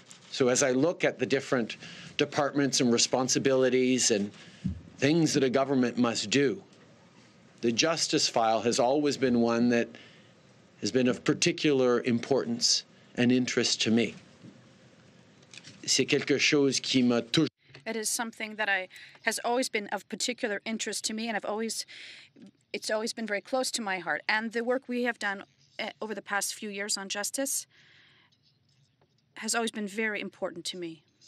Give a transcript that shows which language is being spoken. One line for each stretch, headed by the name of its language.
English: So as I look at the different departments and responsibilities and things that a government must do, the justice file has always been one that has been of particular importance and interest to me.
French: C'est quelque chose qui m'a touché.
English: It is something that has always been of particular interest to me, and it's always been very close to my heart. And the work we have done over the past few years on justice has always been very important to me.